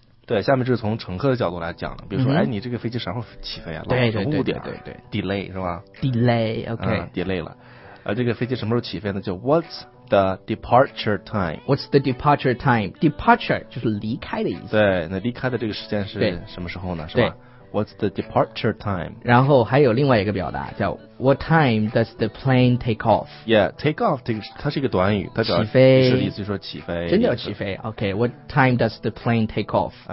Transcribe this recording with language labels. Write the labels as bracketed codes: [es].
[zh] 对，下面就是从乘客的角度来讲了，比如说、哎，你这个飞机啥时候起飞啊？对对对对 对， 对， 对， 对， 对，对， 对， 对，对， Delay 是吧？ [en] Delay， OK、 [zh] Delay 了，这个飞机什么时候起飞呢？就 [en] What's the departure time？ What's the departure time？ [zh] Departure 就是离开的意思。对，那离开的这个时间是什么时候呢？是吧？对， [en] What's the departure time？ [zh] 然后还有另外一个表达叫 [en] What time does the plane take off？ [zh] Yeah， take off 它是一个短语，它表示是意思说起飞，真的要起飞。 [en] OK， What time does the plane take off？